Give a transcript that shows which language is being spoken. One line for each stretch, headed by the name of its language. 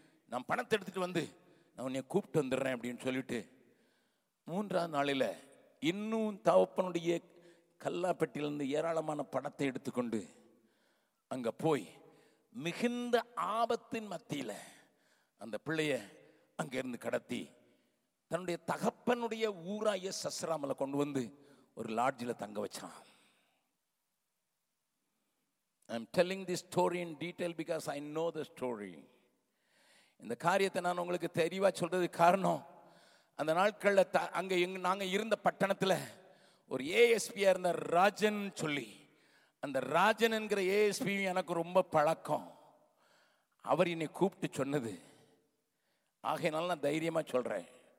Tamil: நான் பணத்தை எடுத்துட்டு வந்து நான் உன்னை கூப்பிட்டு வந்துடுறேன் அப்படின்னு சொல்லிட்டு 3rd நாளில் இன்னும் தவப்பனுடைய கல்லாப்பட்டியிலிருந்து ஏராளமான பணத்தை எடுத்துக்கொண்டு அங்க போய் மிகுந்த ஆபத்தின் மத்தியில அந்த பிள்ளைய அங்கிருந்து கடத்தி தன்னுடைய தகப்பனுடைய ஊராய சசராமல கொண்டு வந்து ஒரு லாட்ஜில தங்க வச்சான்.
English: I'm telling this story in detail because I know the story.
Tamil: இந்த காரியத்தை நான் உங்களுக்கு தெரிவா சொல்றது காரணம், அந்த நாட்கள்ல அங்க நாங்க இருந்த பட்டணத்துல ஒரு ASP-ஆ இருந்த ராஜன் சொல்லி, அந்த ராஜன் என்கிற ASP-யும் எனக்கு ரொம்ப பழக்கம். அவர் என்னை கூப்பிட்டு சொன்னது. ஆகையினால நான் தைரியமாக சொல்கிறேன்.